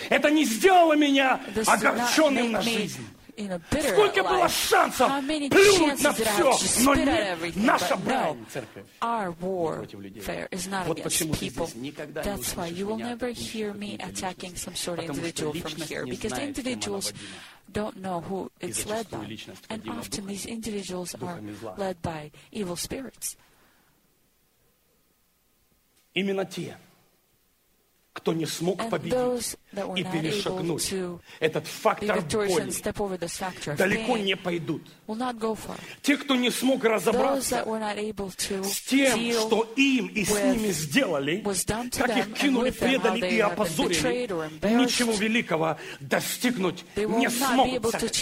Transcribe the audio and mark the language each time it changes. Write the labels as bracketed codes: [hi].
[ru] Это не сделало меня огорченным на жизнь. Сколько было шансов плюнуть на все, но не наша брань, церковь. Вот почему ты здесь никогда не услышишь меня атаковать какого-то индивидуала здесь, потому что личность не знает, кем она водит. [en] Don't know who it's led by. And often these individuals are led by evil spirits. [ru] Именно те, кто не смог победить и перешагнуть этот фактор боли, далеко не пойдут. Те, кто не смог разобраться с тем, что им и с ними сделали, как их кинули, предали и опозорили, ничего великого достигнуть не смогут.